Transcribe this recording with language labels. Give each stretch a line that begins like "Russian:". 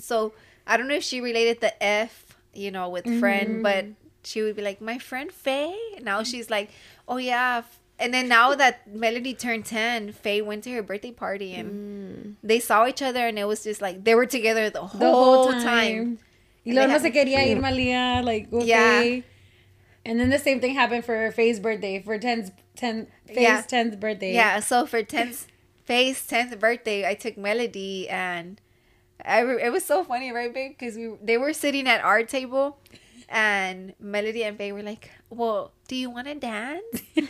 English: So I don't know if she related the F, you know, with friend. Mm-hmm. But she would be like, my friend Faye. Now she's like, oh yeah. And then now that Melody turned 10, Faye went to her birthday party and they saw each other, and it was just like they were together the whole time.
Spanish: Y luego no se quería ir Malia, like, okay.
English: Yeah. And then the same thing happened for Faye's birthday, for Faye's 10th birthday. Yeah, so for Faye's 10th birthday, I took Melody, and it was so funny, right, babe? Because they were sitting at our table. And Melody and Faye were like, well, do you want to dance?